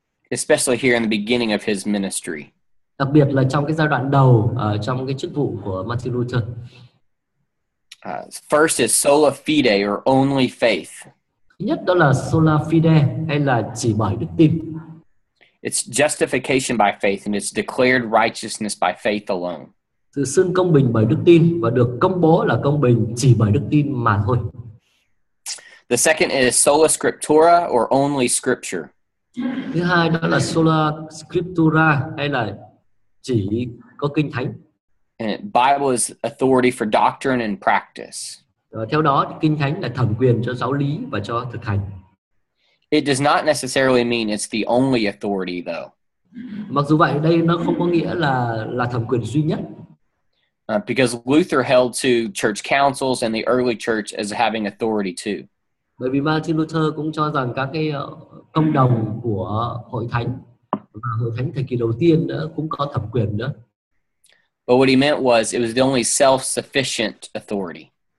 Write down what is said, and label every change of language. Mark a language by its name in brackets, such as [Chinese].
[English] Especially here in the beginning of his ministry. [Vietnamese] Đặc biệt là trong cái giai đoạn đầu trong cái chức vụ của Martin Luther. [English] First is sola fide or only faith. [Vietnamese] Nhất đó là sola fide hay là chỉ bởi đức tin. [English] It's justification by faith and it's declared righteousness by faith alone. [Vietnamese] Sự xưng công bình bởi đức tin và được công bố là công bình chỉ bởi đức tin mà thôi. [English] The second is sola scriptura or only scripture. [Vietnamese] Thứ hai đó là sola scriptura hay là chỉ có kinh thánh. [English] And Bible is authority for doctrine and practice. [Vietnamese] Theo đó, kinh thánh là thẩm quyền cho giáo lý và cho thực hành. [English] It does not necessarily mean it's the only authority, though. [Vietnamese] Mặc dù vậy, đây nó không có nghĩa là thẩm quyền duy nhất. [English] Because Luther held to church councils and the early church as having authority too. [Vietnamese] Bởi vì Martin Luther cũng cho rằng các cái công đồng của hội thánh thời kỳ đầu tiên đó cũng có thẩm quyền nữa. [English] But what he meant was it was the only self-sufficient authority.